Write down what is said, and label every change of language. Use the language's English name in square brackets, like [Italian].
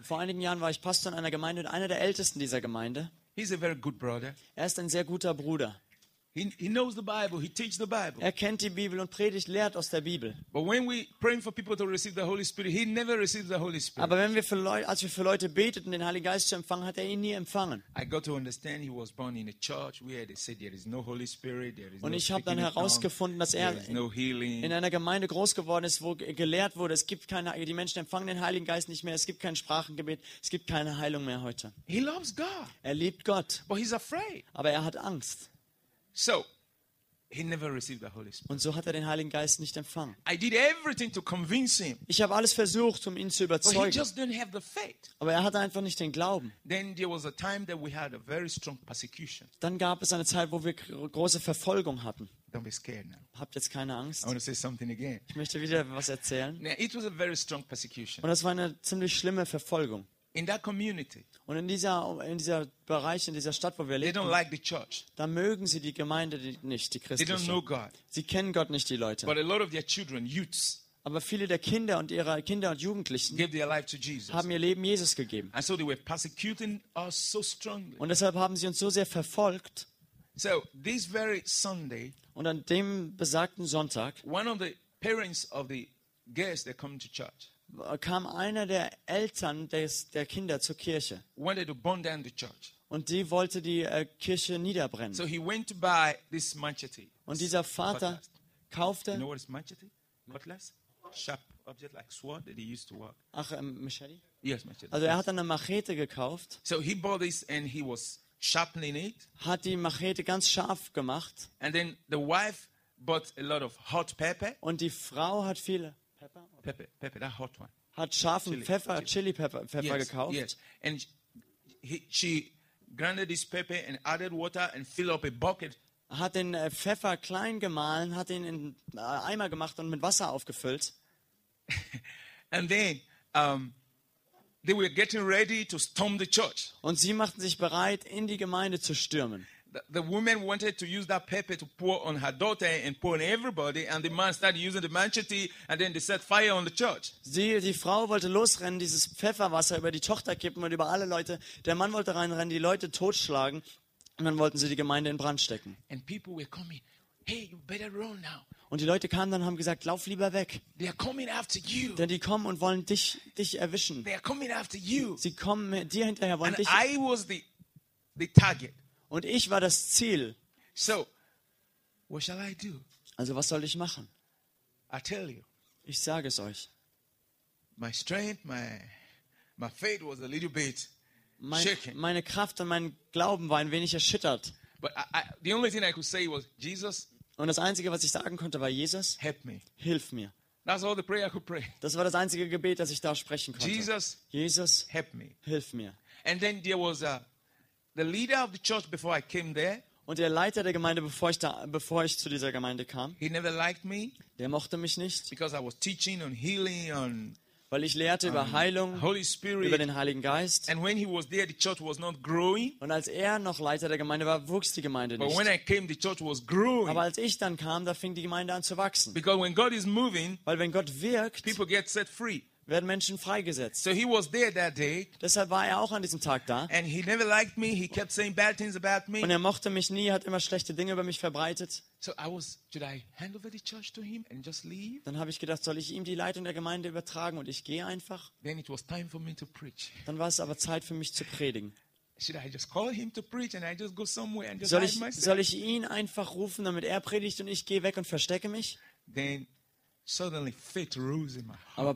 [German] Vor einigen Jahren war ich Pastor in einer Gemeinde und einer der Ältesten dieser Gemeinde. [English] He's a very good brother. [German] Er ist ein sehr guter Bruder. [English] He knows the Bible. He teaches the Bible. [German] Er kennt die Bibel und predigt, lehrt aus der Bibel. [English] But when we pray for people to receive the Holy Spirit, he never receives the Holy Spirit. [German] Aber wenn wir für Leute, als wir für Leute beteten, den Heiligen Geist zu empfangen, hat er ihn nie empfangen. [English] I got to understand he was born in a church where they said there is no Holy Spirit, there is no. [German] Und ich habe dann herausgefunden, dass er in einer Gemeinde groß geworden ist, wo gelehrt wurde, es gibt keine, die Menschen empfangen den Heiligen Geist nicht mehr, es gibt kein Sprachengebet, es gibt keine Heilung mehr heute. [English] He loves God. [German] Er liebt Gott. [English] But he's afraid. [German] Aber er hat Angst. [English] So, he never received the Holy Spirit. [German] Und so hat er den Heiligen Geist nicht empfangen. [English] I did everything to convince him. [German] Ich habe alles versucht, um ihn zu überzeugen. [English] But he just didn't have the faith. [German] Aber er hatte einfach nicht den Glauben. [English] Then there was a time that we had a very strong persecution. [German] Dann gab es eine Zeit, wo wir große Verfolgung hatten. [English] Don't be scared now. [German] Habt jetzt keine Angst. [English] I want to say something again. [German] Ich möchte wieder was erzählen. [English] Now, it was a very strong persecution. [German] Und das war eine ziemlich schlimme Verfolgung. [English] In that community. [German] Und in dieser Bereich, in dieser Stadt, wo wir leben, [English] they don't like the church. [German] Da mögen sie die Gemeinde nicht, die christliche. [English] They don't know God. [German] Sie kennen Gott nicht, die Leute. [English] But a lot of their children, youths, [German] aber viele der Kinder und ihrer Kinder und Jugendlichen [English] gave their life to Jesus. [German] Haben ihr Leben Jesus gegeben. [English] And so they were persecuting us so strongly. [German] Und deshalb haben sie uns so sehr verfolgt. [English] So, this very Sunday, [German] und an dem besagten Sonntag, [English] one of the parents of the guests that come to church, [German] kam einer der Eltern der Kinder zur Kirche. [English] Wanted to burn down the church. [German] Und die wollte die Kirche niederbrennen. [English] So he went to buy this machete. [German] Und dieser Vater kaufte. [English] You know what is machete? Cutlass? Sharp object like sword that he used to work. [German] Ach, machete? [English] Yes, machete. [German] Also er hat eine Machete gekauft. [English] So he bought this and he was sharpening it. [German] Hat die Machete ganz scharf gemacht. [English] And then the wife bought a lot of hot pepper. [German] Und die Frau hat viele [English] Pepper, that hot one. [German] Hat scharfen Chili Pepper [English] yes, [German] gekauft. [English] Yes. And she grinded this pepper and added water and filled up a bucket. [German] Hat den Pfeffer klein gemahlen, hat ihn in Eimer gemacht und mit Wasser aufgefüllt. [English] And then they were getting ready to storm the church. [German] Und sie machten sich bereit, in die Gemeinde zu stürmen. [English] The woman wanted to use that pepper to pour on her daughter and pour on everybody, and the man started using the machete, and then they set fire on the church. [German] Die Frau wollte losrennen, dieses Pfefferwasser über die Tochter kippen und über alle Leute. Der Mann wollte reinrennen, die Leute totschlagen, und dann wollten sie die Gemeinde in Brand stecken. [English] And people were coming. Hey, you better run now. [German] Und die Leute kamen dann und haben gesagt, lauf lieber weg. [English] They are coming after you. [German] Denn die kommen und wollen dich erwischen. [English] They are coming after you. [German] Sie kommen dir hinterher, wollen [English] and [German] dich. [English] I was the target. [German] Und ich war das Ziel. [English] So, what shall I do? [German] Also was soll ich machen? [English] I tell you, [German] ich sage es euch. [English] My strength, my faith was a little bit shaken. [German] Meine Kraft und mein Glauben war ein wenig erschüttert. [English] But the only thing I could say was Jesus. [German] Und das Einzige, was ich sagen konnte, war Jesus. [English] Help me. [German] Hilf mir. [English] That's all the prayer I could pray. [German] Das war das einzige Gebet, das ich da sprechen konnte. [English] Jesus, help me. [German] Hilf mir. [English] And then there was a the leader of the church before I came there. [German] Und der Leiter der Gemeinde, bevor ich zu dieser Gemeinde kam. [English] He never liked me. [German] Der mochte mich nicht. [English] Because I was teaching on healing on. [German] Weil ich lehrte über Heilung, [English] Holy Spirit, [German] über den Heiligen Geist. [English] And when he was there, the church was not growing. [German] Und als er noch Leiter der Gemeinde war, wuchs die Gemeinde nicht. [English] But when I came, the church was growing. [German] Aber als ich dann kam, da fing die Gemeinde an zu wachsen. [English] Because when God is moving, [German] weil wenn Gott wirkt, [English] people get set free. [German] Werden Menschen freigesetzt. [English] So he was there that day. [German] Deshalb war er auch an diesem Tag da. [English] And he never liked me. He kept saying bad things about me. [German] Und er mochte mich nie, hat immer schlechte Dinge über mich verbreitet. [English] So I was, should I hand over the church to him and just leave? [German] Dann habe ich gedacht, soll ich ihm die Leitung der Gemeinde übertragen und ich gehe einfach? [English] Then it was time for me to preach. [German] Dann war es aber Zeit für mich zu predigen. [English] Should I just call him to preach and I just go somewhere and just [German] soll [English] hide myself? [German] Soll ich ihn einfach rufen, damit er predigt und ich gehe weg und verstecke mich? [English] Then suddenly faith rose in my heart.